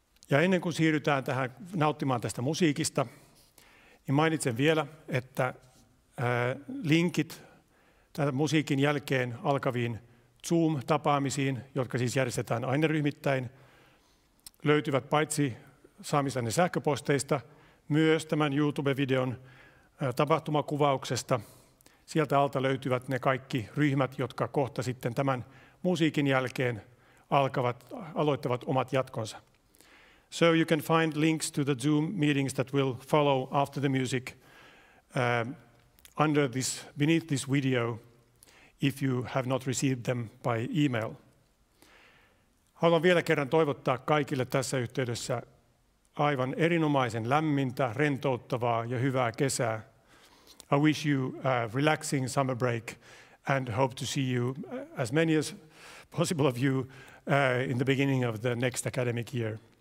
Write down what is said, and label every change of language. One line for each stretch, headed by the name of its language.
Finnish: Ja ennen kuin siirrytään tähän nauttimaan tästä musiikista, niin mainitsen vielä, että linkit tämän musiikin jälkeen alkaviin Zoom-tapaamisiin, jotka siis järjestetään aineryhmittäin, löytyvät paitsi saamisanne sähköposteista, myös tämän YouTube-videon tapahtumakuvauksesta. Sieltä alta löytyvät ne kaikki ryhmät, jotka kohta sitten tämän musiikin jälkeen aloittavat omat jatkonsa.
English: So you can find links to the Zoom meetings that will follow after the music beneath this video if you have not received them by email.
Finnish: Haluan vielä kerran toivottaa kaikille tässä yhteydessä aivan erinomaisen lämmintä, rentouttavaa ja hyvää kesää.
English: I wish you a relaxing summer break and hope to see you as many as possible of you in the beginning of the next academic year.